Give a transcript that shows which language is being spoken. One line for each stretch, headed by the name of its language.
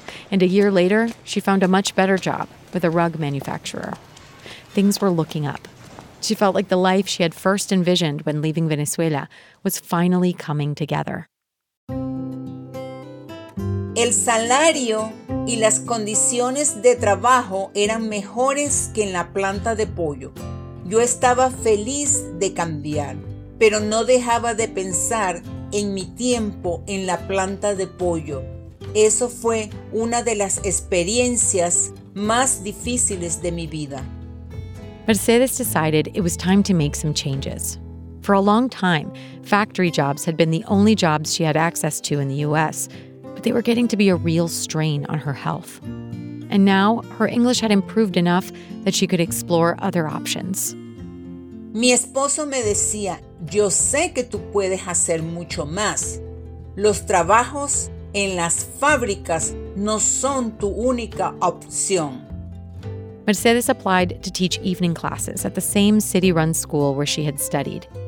English: And a year later, she found a much better job with a rug manufacturer. Things were looking up. She felt like the life she had first envisioned when leaving Venezuela was finally coming together.
Spanish: El salario y las condiciones de trabajo eran mejores que en la planta de pollo. Yo estaba feliz de cambiar, pero no dejaba de pensar en mi tiempo en la planta de pollo. Eso fue una de las experiencias más difíciles de mi vida.
English: Mercedes decided it was time to make some changes. For a long time, factory jobs had been the only jobs she had access to in the U.S., but they were getting to be a real strain on her health. And now, her English had improved enough that she could explore other options.
Spanish: Mi esposo me decía, yo sé que tú puedes hacer mucho más. Los trabajos en las fábricas no son tu única opción.
English: Mercedes applied to teach evening classes at the same city-run school where she had studied.